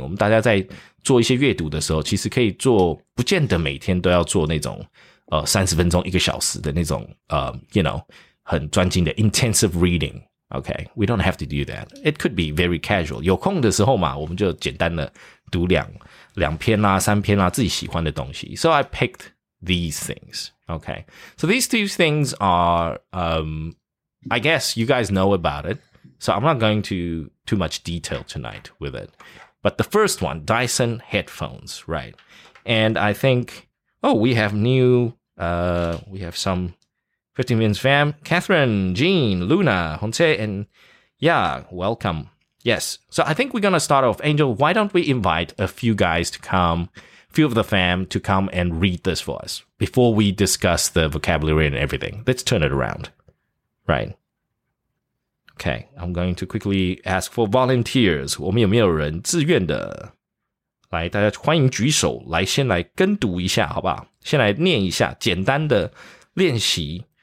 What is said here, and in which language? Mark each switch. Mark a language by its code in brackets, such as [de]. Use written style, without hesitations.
[zh] 我们大家在做一些阅读的时候，其实可以做，不见得每天都要做那种30分钟一个小时的那种 [en] you know [zh] 很专精的 intensive reading。 [en] Okay, we don't have to do that. It could be very casual. [zh] 有空的时候嘛，我们就简单的读两篇啦，三篇啦，自己喜欢的东西。 [en] So I picked these things. Okay, so these two things are, I guess you guys know about it. So I'm not going to too much detail tonight with it. But the first one, Dyson headphones, right? And I think, oh, we have new, we have some 15 Minutes Fam, Catherine, Jean, Luna, Honse, and yeah, welcome. Yes, so I think we're going to start off. Angel, why don't we invite a few guys to come, a few of the fam to come and read this for us before we discuss the vocabulary and everything. Let's turn it around. Right. Okay, I'm going to quickly ask for volunteers. [zh] 我们有没有人自愿的？来，大家欢迎举手，来先来跟读一下，好不好？先来念一下，简单的练习。